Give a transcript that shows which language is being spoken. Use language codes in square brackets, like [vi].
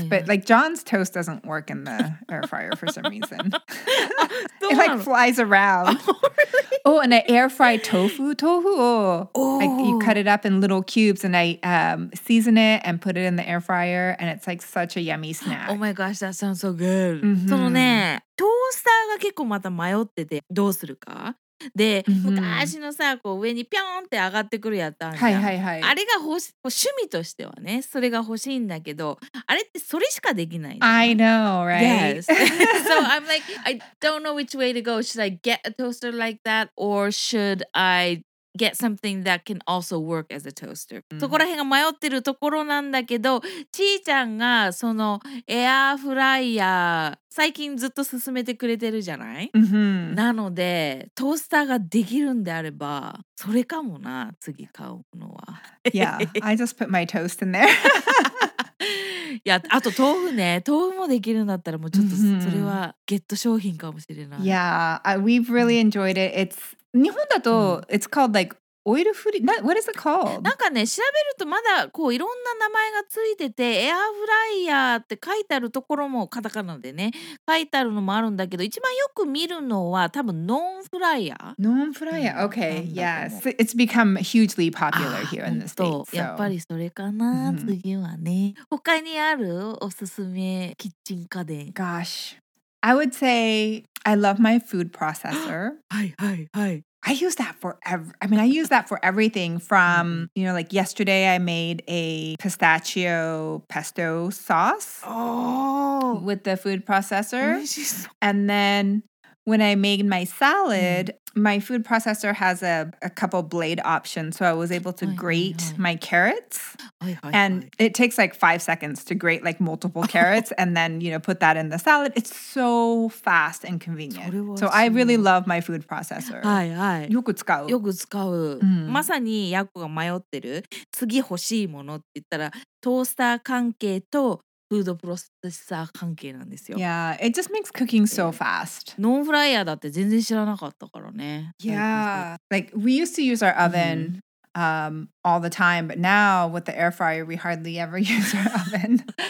[en] But like John's toast doesn't work in the air fryer for some reason. It like flies around. Really? Oh, and I air fry tofu. You cut it up in little cubes and I season it and put it in the air fryer and it's like such a yummy snack. Oh my gosh, that sounds so good. Mm-hmm. [ja] そのね、トースターが結構また迷っててどうするか。で、mm-hmm. 昔のさ、こう上にピョンって上がってくるやったんじゃん。はいはいはい。あれが趣味としてはね、それが欲しいんだけど、あれってそれしかできない。 [en] I know, right? Yes. So I'm like, I don't know which way to go. Should I get a toaster like that or should I... get something that can also work as a toaster. [ja] そこら辺が迷ってるところなんだけど、ちーちゃんがそのエアフライヤー最近ずっと勧めてくれてるじゃない、 mm-hmm. なのでトースターができるんであればそれかもな、次買うのは。 [en] Yeah, I just put my toast in there. [ja] いや、あと豆腐ね、豆腐もできるんだったらもうちょっとそれはゲット商品かもしれない。 [en] Yeah, we've really enjoyed it. It's [ja] 日本だと、 [en] it's called like oil free. What is it called? [ja] なんかね、調べるとまだこういろんな名前がついてて、エアフライヤーって書いてあるところもカタカナでね、書いてあるのもあるんだけど、一番よく見るのは多分ノンフライヤー。 [en] ノンフライヤー、okay, yes, it's become hugely popular here in the States. [ja] やっぱりそれかな、次はね。他にあるおすすめキッチン家電。 [en] Gosh, I would say. I love my food processor. I use that for I mean, I use that for everything from, you know, like yesterday I made a pistachio pesto sauce with the food processor. And then when I made my salad, my food processor has a couple blade options. So I was able to grate my carrots. And it takes like 5 seconds to grate like multiple carrots and then, you know, put that in the salad. It's so fast and convenient. So I really love my food processor. [ja] はい。よく使う。よく使う。まさにヤコが迷ってる。次欲しいものって言ったら、トースター関係とフードプロセッサー関係なんですよ。 [en] Yeah, it just makes cooking so fast. [ja] ノンフライヤーだって全然知らなかったからね。 [en] Yeah, like we used to use our oven、all the time, but now with the air fryer, we hardly ever use our oven.